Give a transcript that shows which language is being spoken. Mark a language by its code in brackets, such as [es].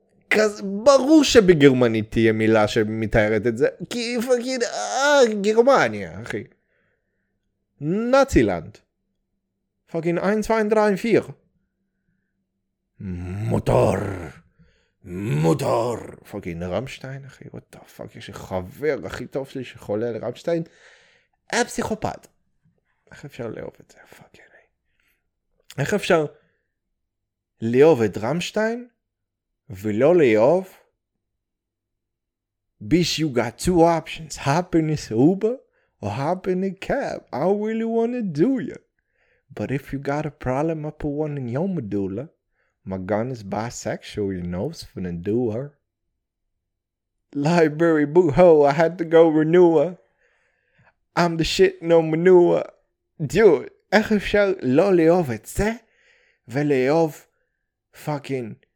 [he] כזה ברור שבגרמנית תהיה מילה שמתארת את זה, כי פאקינג, גרמניה, אחי. נאצילנד. פאקינג [de] אין צווין דריים פיר. [he] מוטור, מוטור, פאקינג רמשטיין, אחי, [en] what the fuck, [he] יש לי חבר הכי טוב שלי שחולה על רמשטיין, פסיכופת. איך אפשר לאהוב את זה, פאקינג, איך אפשר לאהוב את רמשטיין ולא לאהוב, [en] bitch, you got two options, hop in this Uber or hop in a cab, I really want to do you, but if you got a problem, I put one in your medulla. My gun is bisexual, you know, it's finna do her. Library, boo-hoo, I had to go renew her. I'm the shit, no manure. [he] Dude, איך אפשר לא לאהוב את זה, ולאהוב fucking...